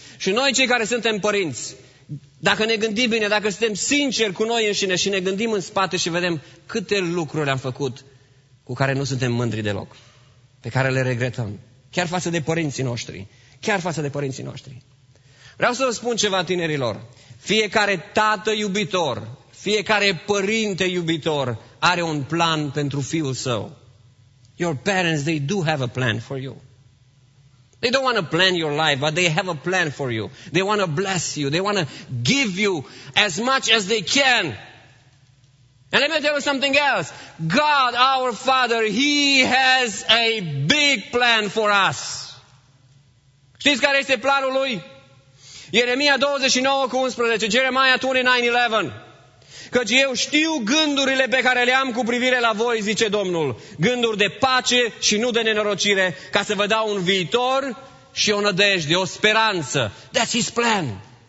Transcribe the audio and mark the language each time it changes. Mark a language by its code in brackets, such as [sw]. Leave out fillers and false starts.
[ro] Și noi cei care suntem părinți, dacă ne gândim bine, dacă suntem sinceri cu noi înșine și ne gândim în spate și vedem câte lucruri am făcut cu care nu suntem mândri deloc, pe care le regretăm, chiar față de părinții noștri, chiar față de părinții noștri. Vreau să vă spun ceva tinerilor, fiecare tată iubitor, fiecare părinte iubitor are un plan pentru fiul său. [en] Your parents, they do have a plan for you. They don't want to plan your life, but they have a plan for you. They want to bless you. They want to give you as much as they can. And let me tell you something else. God, our Father, He has a big plan for us. [ro] Știți care este planul Lui? Jeremia 29:11, Jeremiah 29:11. Căci eu știu gândurile pe care le am cu privire la voi, zice Domnul. Gânduri de pace și nu de nenorocire, ca să vă dau un viitor și o nădejde, o speranță. [en] That's His plan.